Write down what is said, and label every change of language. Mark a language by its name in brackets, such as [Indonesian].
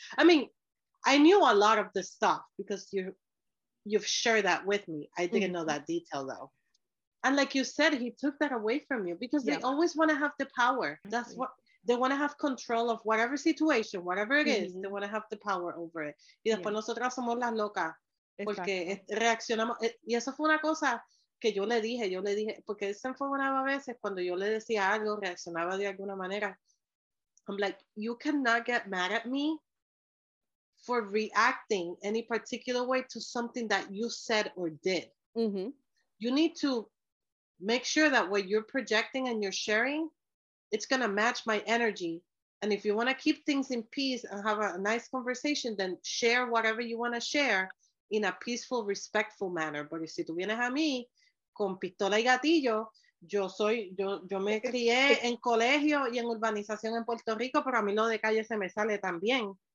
[English] I mean, I knew a lot of the stuff because you've shared that with me. I didn't mm-hmm. know that detail though. And like you said, he took that away from you because they always want to have the power. That's what they want to have control of whatever situation, whatever it is, mm-hmm. they want to have the power over it. [Spanish] Y después nosotras somos las locas. Porque reaccionamos, y eso fue una cosa que yo le dije, porque él se enfogonaba a veces cuando yo le decía algo, reaccionaba de alguna manera. [English] I'm like, you cannot get mad at me for reacting any particular way to something that you said or did. Mm-hmm. You need to make sure that what you're projecting and you're sharing, it's going to match my energy. And if you want to keep things in peace and have a nice conversation, then share whatever you want to share. In a peaceful, respectful manner. [Spanish] Porque si tú vienes a mí con pistola y gatillo, yo me crié en colegio y en urbanización en Puerto Rico, pero a mí lo de calle se me sale también.